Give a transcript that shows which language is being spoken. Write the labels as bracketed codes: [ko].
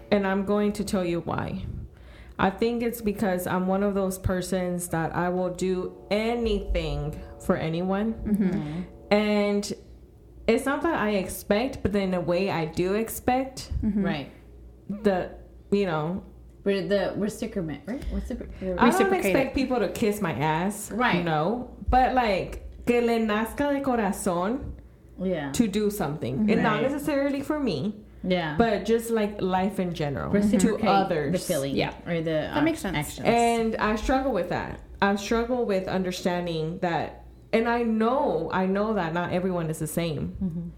[en] And I'm going to tell you why. I think it's because I'm one of those persons that I will do anything for anyone. And it's not that I expect, but then in a way I do expect. Right. The, you know, but the reciprocation, right? What's the, I don't expect people to kiss my ass. Right. No. But like, [es] que le nazca de corazón. [en] Yeah. To do something. Right. And not necessarily for me. Yeah. But just like life in general. To others. The feeling. Yeah. Or the that makes sense. Actions. And I struggle with that. I struggle with understanding that. And I know that not everyone is the same. Mm-hmm.